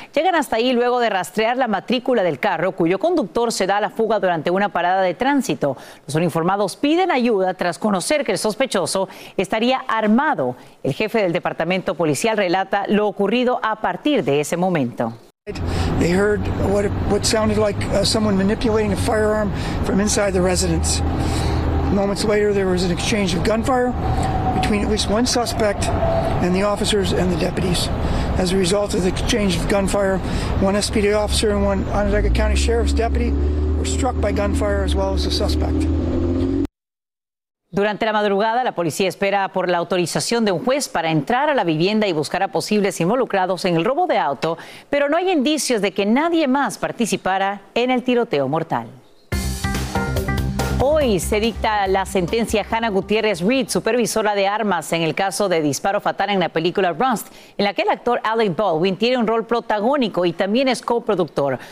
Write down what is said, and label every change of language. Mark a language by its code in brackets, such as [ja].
[es] Llegan hasta ahí luego de rastrear la matrícula del carro, cuyo conductor se da a la fuga durante una parada de tránsito. Los uniformados piden ayuda tras conocer que el sospechoso estaría armado. El jefe del departamento policial relata lo ocurrido a partir de ese momento. [en] They heard what sounded like someone manipulating a firearm from inside the residence. Moments later, there was an exchange of gunfire between at least one suspect and the officers and the deputies. As a result of the exchange of gunfire, one SPD officer and one Onondaga County Sheriff's deputy were struck by gunfire as well as the suspect. [es] Durante la madrugada, la policía espera por la autorización de un juez para entrar a la vivienda y buscar a posibles involucrados en el robo de auto, pero no hay indicios de que nadie más participara en el tiroteo mortal. Hoy se dicta la sentencia a Hannah Gutierrez Reed, supervisora de armas en el caso de disparo fatal en la película Rust, en la que el actor Alec Baldwin tiene un rol protagónico y también es coproductor.